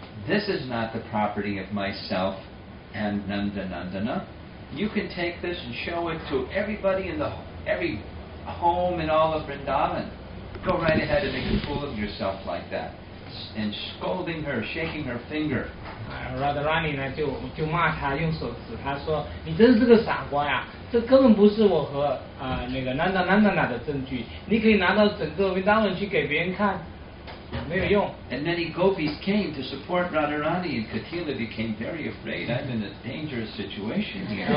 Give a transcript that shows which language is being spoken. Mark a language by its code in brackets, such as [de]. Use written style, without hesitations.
[en] This is not the property of myself and Nanda Nandana. You can take this and show it to everybody in the every home in all of Vrindavan. Go right ahead and make a fool of yourself like that." And scolding her, shaking her finger. [zh] Radharani 呢就骂他, 用手指, 他说, 你真是个傻瓜呀, 这根本不是我和, 那个, 南达南达的证据, 你可以拿到整个, 你当然去给别人看, 没有用。 [en] And many gopis came to support Radharani, and Katila became very afraid. I'm in a dangerous situation